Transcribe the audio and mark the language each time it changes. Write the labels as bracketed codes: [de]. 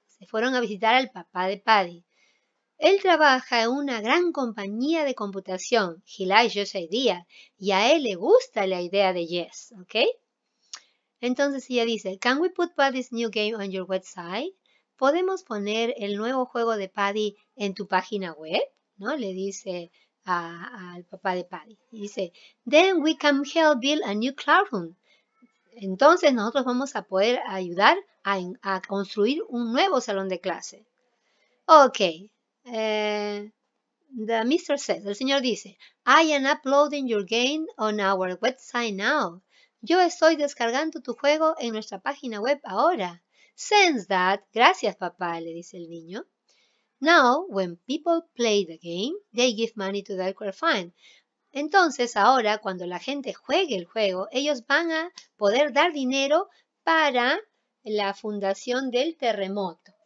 [es] Se fueron a visitar al papá de Paddy. Él trabaja en una gran compañía de computación. [en] He likes Jess' idea. [es] Y a él le gusta la idea de Jess, ¿ok? Entonces ella dice, [en] Can we put Paddy's new game on your website? [es] ¿Podemos poner el nuevo juego de Paddy en tu página web? ¿No? Le dice al papá de Paddy. Y dice, [en] Then we can help build a new classroom. [es] Entonces nosotros vamos a poder ayudar a construir un nuevo salón de clase. [en] Ok. The Mr. says, [es] el señor dice, [en] I am uploading your game on our website now. [es] Yo estoy descargando tu juego en nuestra página web ahora. [en] Since that, [es] gracias papá, le dice el niño. [en] Now, when people play the game, they give money to the earthquake fund. [es] Entonces, ahora, cuando la gente juegue el juego, ellos van a poder dar dinero para la fundación del terremoto.